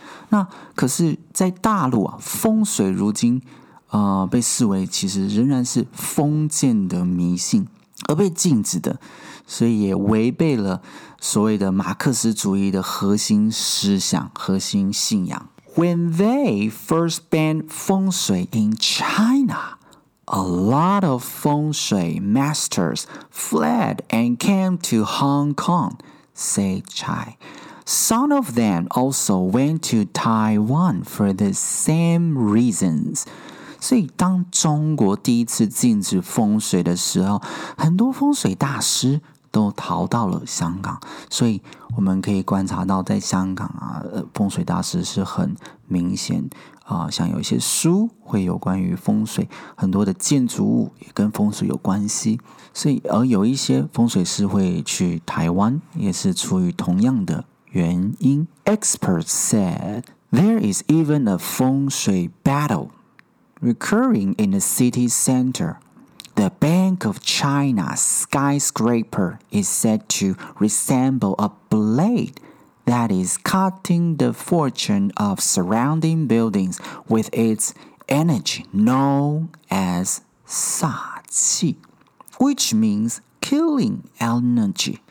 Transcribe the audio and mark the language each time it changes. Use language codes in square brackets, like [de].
[zh] 那可是在大陆啊，风水如今被视为其实仍然是封建的迷信而被禁止的，所以也违背了所谓的马克思主义的核心思想、核心信仰。 [en] When they first banned 风水 in China, a lot of 风水 masters fled and came to Hong Kong, say Chai. Some of them also went to Taiwan for the same reasons. [zh] 所以当中国第一次禁止风水的时候，很多风水大师都逃到了香港。所以我们可以观察到在香港啊，风水大师是很明显像有一些书会有关于风水，很多的建筑物也跟风水有关系。所以而有一些风水师会去台湾，也是出于同样的原因。 [en] Experts said, there is even a 风水 battle. Recurring in the city center, the Bank of China skyscraper is said to resemble a blade that is cutting the fortune of surrounding buildings with its energy known as Sa Qi, which means killing energy.